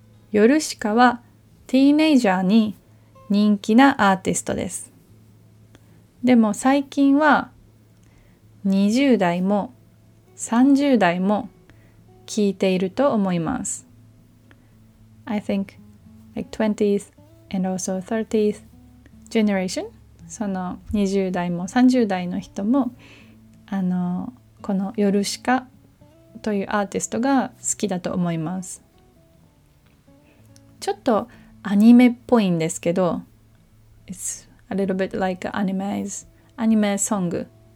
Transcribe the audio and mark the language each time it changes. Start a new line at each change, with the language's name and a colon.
Japanese: ヨルシカはティーネイジャーに人気なアーティストです。でも最近は20代も 30代も聞いていると思います。
English: I think like 20s and also 30s generation,
Japanese: その20代も30代の人もこのヨルシカというアーティストが好きだと思います。ちょっとアニメっぽいんですけど、
English: It's a little bit like anime song.